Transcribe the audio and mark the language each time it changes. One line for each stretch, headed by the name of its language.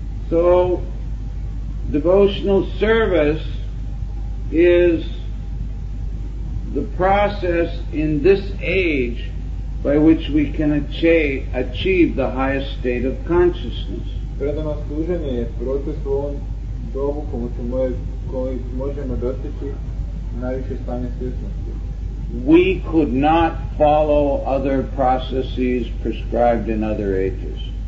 English: So, devotional service is the process in this age by which we can achieve the highest state of consciousness.
Croatian: Predano služenje je proces u ovom dobu koji možemo dostići najviše stanje svjesnosti.
English: We could not follow other processes prescribed in other ages.